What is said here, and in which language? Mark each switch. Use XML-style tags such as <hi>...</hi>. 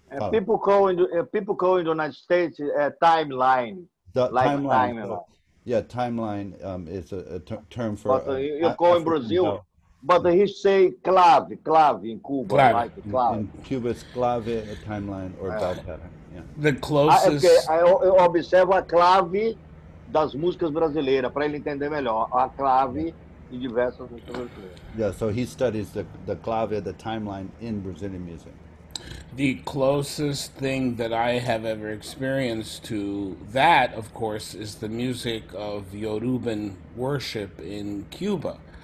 <en>People call in the United States timeline. Timeline is a term for... You call in Brazil... No. But he say clave in Cuba, clave. Like clave. In Cuba, it's clave, a timeline, or bell pattern. Yeah. The closest...</en> <pt>Eu observo a clave das músicas brasileiras, para ele entender melhor. A clave de diversas músicas brasileiras.</pt> <en>Yeah, so he studies the clave, the timeline in Brazilian music. The closest thing that I have ever experienced to that, of course, is the music of Yoruban worship in Cuba.</en>